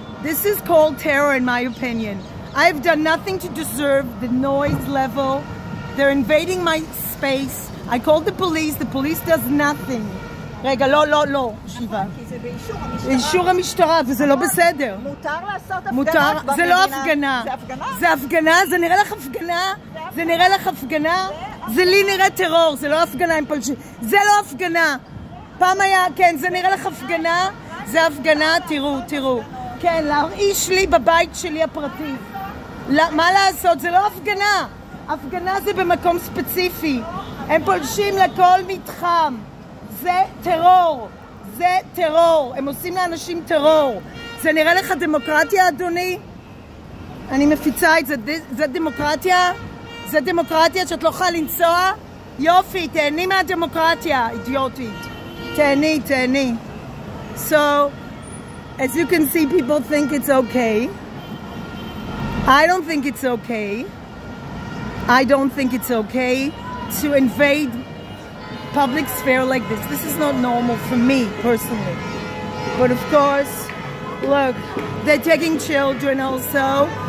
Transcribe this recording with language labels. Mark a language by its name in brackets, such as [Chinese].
[English] This is called terror, in my opinion. I've done nothing to deserve the noise level. They're invading my space. I called the police. The police does nothing. [Hebrew] רגע, לא, לא, לא, שיבה. נכון, כי זה באישור המשטרה. אישור המשטרה, וזה לא בסדר. מותר לעשות הפגנות במדינה. זה לא הפגנה. זה הפגנה? זה הפגנה, זה נראה לך הפגנה? זה נראה לך הפגנה? זה לי נראה טרור, זה לא הפגנה עם פלשים. זה לא הפגנה. פעם היה, כן, זה נראה לך הפגנה? זה הפגנה, תראו, תראו. כן, להרעיש לי בבית שלי הפרטי. מה לעשות? זה לא הפגנה. הפגנה זה במקום ספציפי. הם פולשים לכל מתחם. זה טרור. זה טרור. הם עושים לאנשים טרור. זה נראה לך דמוקרטיה, אדוני? אני מפיצה את זה. זה דמוקרטיה? זה דמוקרטיה שאת לא יכולה לנסוע? יופי, תהני מהדמוקרטיה, אידיוטית. תהני, תהני. [English] So, as you can see, people think it's okay. I don't think it's okay. I don't think it's okay to invade public sphere like this. This is not normal for me, personally. But of course, look, they're taking children also.